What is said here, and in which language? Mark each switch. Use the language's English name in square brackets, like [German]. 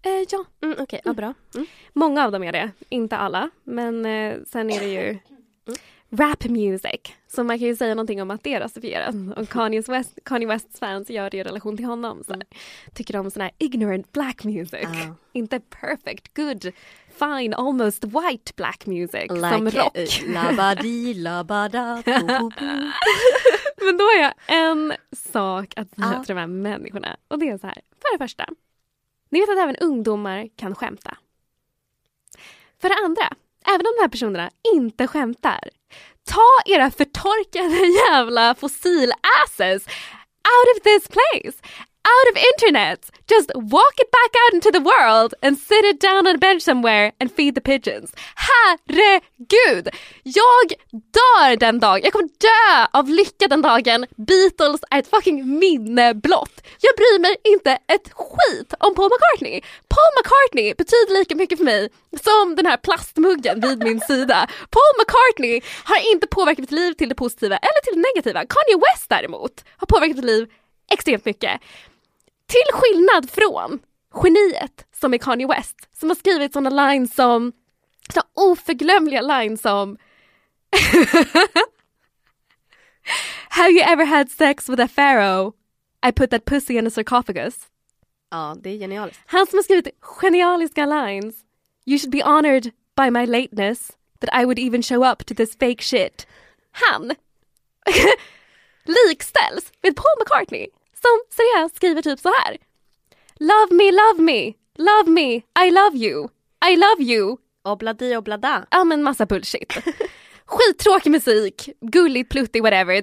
[Swedish] Ja. Mm, okej, okay. Ja, bra. Mm. Många av dem är det, inte alla. Men sen är det ju rap music. Så man kan ju säga någonting om att det är rasifierat. Mm. Och Kanye Wests fans gör det i relation till honom. Så tycker de om sån här ignorant black music. [English] Inte perfect, good, fine, almost white black music. Like [Swedish] som rock. Labadi, labada, Men då har jag en sak att säga till de här människorna. Och det är så här, för det första. Ni vet att även ungdomar kan skämta. För det andra, även om de här personerna inte skämtar, ta era förtorkade jävla fossil asses out of this place. [English] Out of internet. Just walk it back out into the world and sit it down on a bench somewhere and feed the pigeons. [Swedish] Herregud! Jag dör den dagen. Jag kommer dö av lycka den dagen. Beatles är ett fucking minneblott. Jag bryr mig inte ett skit om Paul McCartney. Paul McCartney betyder lika mycket för mig som den här plastmuggen vid min sida. Paul McCartney har inte påverkat mitt liv till det positiva eller till det negativa. Kanye West däremot har påverkat mitt liv extremt mycket. Till skillnad från geniet som är Kanye West, som har skrivit såna lines som, så oförglömliga lines som Have you ever had sex with a pharaoh? [English] I put that pussy in a sarcophagus. [Swedish] Ja, det är genialiskt. Han som har skrivit genialiska lines. [English] You should be honored by my lateness that I would even show up to this fake shit. [Swedish] Han likställs med Paul McCartney. Som seriöst skriver typ så här. [English] Love me, love me. Love me, I love you. I love you. Obladi, oblada. [Swedish] Ja, men massa bullshit. Skittråkig musik. Gulligt, pluttig, whatever.